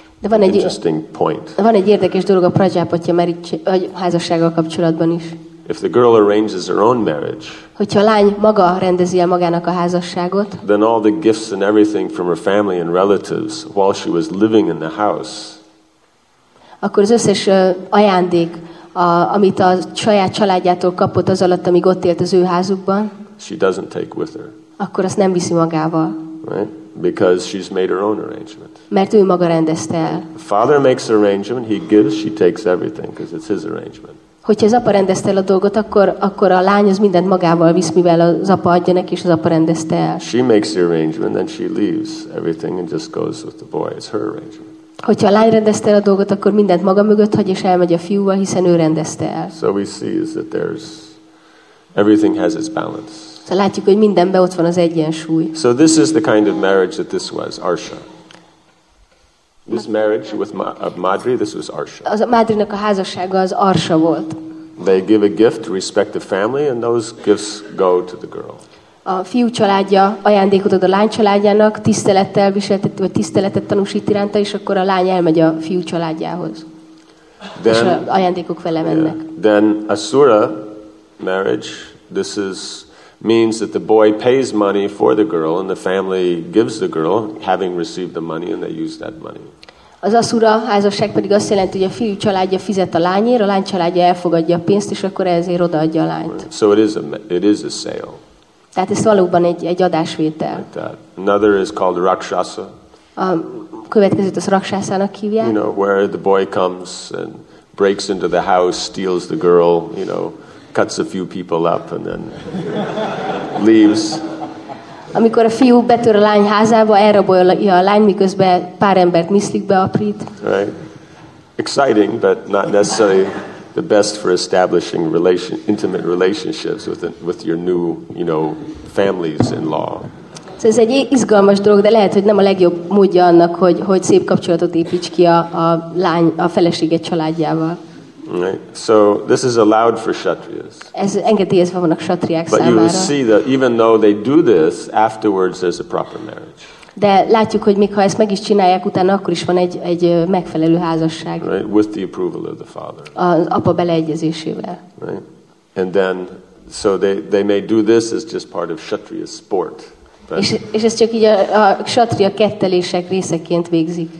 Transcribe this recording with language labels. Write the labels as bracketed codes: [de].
[hu] De van egy [en] interesting point. [hu] Van egy érdekes dolog a Prajapatya házassággal kapcsolatban is. [en] If the girl arranges her own marriage, [hu] hogyha a lány maga rendezi el magának a házasságot, [en] then all the gifts and everything from her family and relatives while she was living in the house, [hu] akkor az összes ajándék, amit a saját családjától kapott az alatt, amíg ott élt az ő házukban, [en] she doesn't take with her. [hu] Akkor azt nem viszi magával. [en] Right? Because she's made her own arrangement. [hu] Mert ő maga rendezte el. [en] The father makes the arrangement, he gives, she takes everything, because it's his arrangement. [hu] Hogyha az apa rendezte el a dolgot, akkor a lány az mindent magával visz, mivel az apa adja neki, és az apa rendezte el. [en] She makes the arrangement, then she leaves everything and just goes with the boy. It's her arrangement. [hu] Hogyha a lány rendezte el a dolgot, akkor mindent maga mögött hagy, és elmegy a fiúval, hiszen ő rendezte el. [en] So we see is that there's, everything has its balance. [hu] Szóval látjuk, hogy mindenben ott van az egyensúly. [en] So this is the kind of marriage that this was, Arsha. This marriage with Madri, this was Arsha. [hu] Az a Madrinak a házassága az Arsha volt. [en] They give a gift to respect the family and those gifts go to the girl. [hu] A fiú családja ajándékot ad a lány családjának, tisztelettel viseltet, vagy tiszteletet tanúsít iránta, és akkor a lány elmegy a fiú családjához. [en] Then, [hu] és az ajándékok vele mennek. [en] Yeah. Then Asura marriage, this is means that the boy pays money for the girl and the family gives the girl having received the money and they use that money. [hu] Az asura házasság pedig azt jelenti, hogy a fiú családja fizet a lányért, a lány családja elfogadja a pénzt, és akkor ezért odaadja a lányt. [en] Right. So it is a sale. [hu] Tehát ez valóban egy adásvétel. [en] Like another is called rakshasa. [hu] A következőt az rakshasának hívják. [en] You know, where the boy comes and breaks into the house, steals the girl, you know, cuts a few people up and then leaves. [hu] Amikor a fiú betör a lány házába, elrabolja a lány, miközben pár embert miszlik beaprít. [en] Right. Exciting, but not necessarily the best for establishing intimate relationships with your new, you know, families in law. [hu] Ez egy izgalmas dolog, de lehet, hogy nem a legjobb módja annak, hogy szép kapcsolatot építs ki a lány a feleséged családjával. [en] Right. So this is allowed for kshatriyas. [hu] Ez engedélyezve vannak kshatriák számára. [en] But you see that even though they do this, afterwards there's a proper marriage. [hu] De látjuk, hogy még ha ezt meg is csinálják, utána akkor is van egy megfelelő házasság. [en] Right? With the approval of the father. [hu] Az apa beleegyezésével. [en] Right? And then, so they may do this as just part of Kshatriya sport. [hu] És ez csak így a Kshatriya kettelések részeként végzik.